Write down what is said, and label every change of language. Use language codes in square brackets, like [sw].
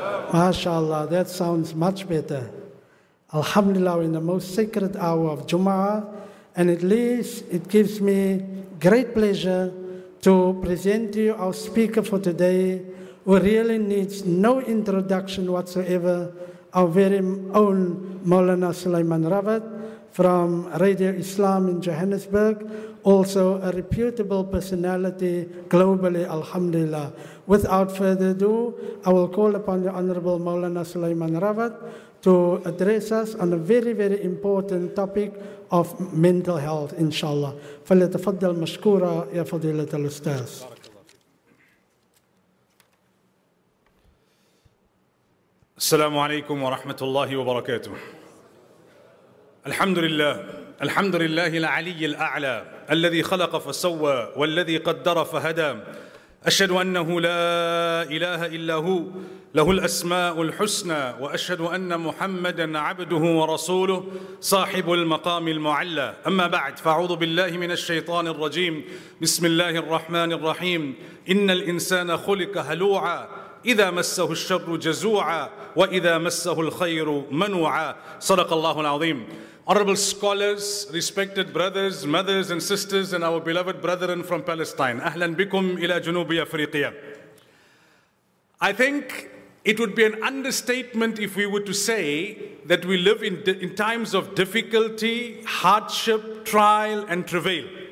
[en] MashaAllah, that sounds much better. Alhamdulillah, in the most sacred hour of Jumu'ah, and at least it gives me great pleasure to present to you our speaker for today, who really needs no introduction whatsoever, our very own Maulana Sulaiman Rawat from Radio Islam in Johannesburg, also a reputable personality globally, alhamdulillah. Without further ado, I will call upon the Honorable Maulana Sulaiman Rawat to address us on a very, very important topic of mental health, inshallah. [ar] فليتفضل مشكورا يا فضيلة الأستاذ. السلام عليكم ورحمة الله وبركاته. الحمد لله، الحمد لله العلي الأعلى الذي خلق فسوى والذي قدر فهدى. أشهد أنه لا إله إلا هو، له الأسماء الحسنى، وأشهد أن محمدًا عبده ورسوله صاحب المقام المعلى. أما بعد، فأعوذ بالله من الشيطان الرجيم، بسم الله الرحمن الرحيم. إن الإنسان خلق هلوعا، إذا مسه الشر جزوعا، وإذا مسه الخير منوعا. صدق الله العظيم. [en] Honorable scholars, respected brothers, mothers and sisters, and our beloved brethren from Palestine. [ar] Ahlan bikum ila Junubi Afriqiya. [en] I think it would be an understatement if we were to say that we live in times of difficulty, hardship, trial, and travail.